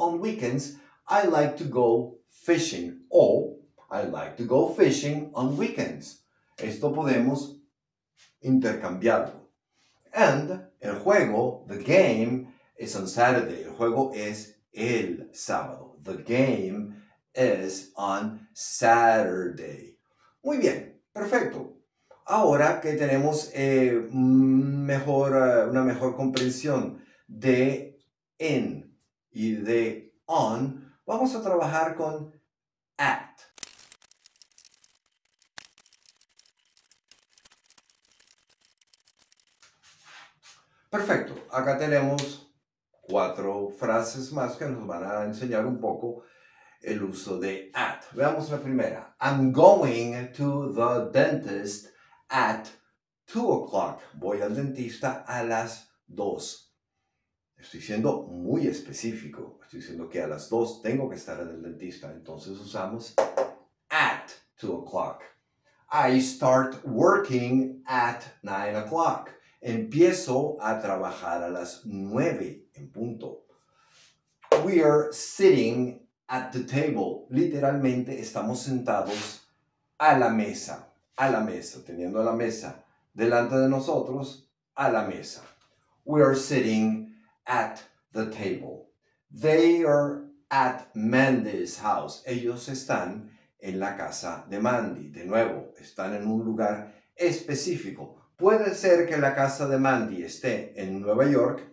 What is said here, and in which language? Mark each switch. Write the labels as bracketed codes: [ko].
[en] On weekends, I like to go fishing. O, I like to go fishing on weekends. [es] Esto podemos intercambiarlo. [en] And, [es] el juego, [en] the game, is on Saturday. [es] El juego es el sábado. [en] The game is on Saturday. [es] Muy bien, perfecto. Ahora que tenemos una mejor comprensión de in y de on, vamos a trabajar con at. Perfecto. Acá tenemos 4 frases más que nos van a enseñar un poco el uso de at. Veamos la primera. [en] I'm going to the dentist at 2:00. [es] Voy al dentista a las 2. Estoy siendo muy específico. Estoy diciendo que a las 2 tengo que estar en el dentista. Entonces usamos [en] at 2:00. I start working at 9:00. [es] Empiezo a trabajar a las 9 en punto. [en] We are sitting at the table. [es] Literalmente estamos sentados a la mesa. A la mesa. Teniendo la mesa delante de nosotros. A la mesa. [en] We are sitting at the table. They are at Mandy's house. [es] Ellos están en la casa de Mandy. De nuevo, están en un lugar específico. Puede ser que la casa de Mandy esté en Nueva York.